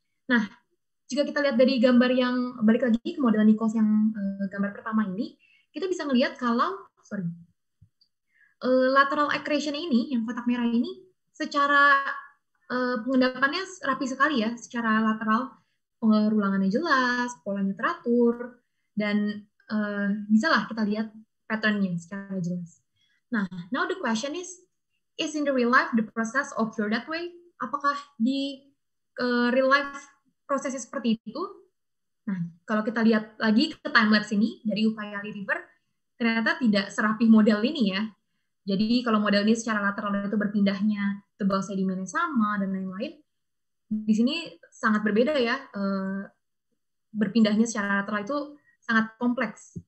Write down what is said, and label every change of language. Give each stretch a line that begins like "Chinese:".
Indonesian: Nah, jika kita lihat dari gambar yang balik lagi ke model Nikos yang gambar pertama ini, kita bisa melihat kalau, sorry, lateral accretion ini, yang kotak merah ini, secara pengendapannya rapi sekali ya, secara lateral pengerulangannya jelas, polanya teratur, dan bisalah kita lihat pattern-nya secara jelas.
English: Nah, now the question is in the real life the process occur that way?
Indonesian: Apakah di real life prosesnya seperti itu? Nah, kalau kita lihat lagi ke timelapse ini dari upaya Re-River, ternyata tidak serapih model ini ya. Jadi kalau model ini secara lateral itu berpindahnya tebal sedimennya sama dan lain-lain, di sini sangat berbeda ya, berpindahnya secara lateral itu sangat kompleks.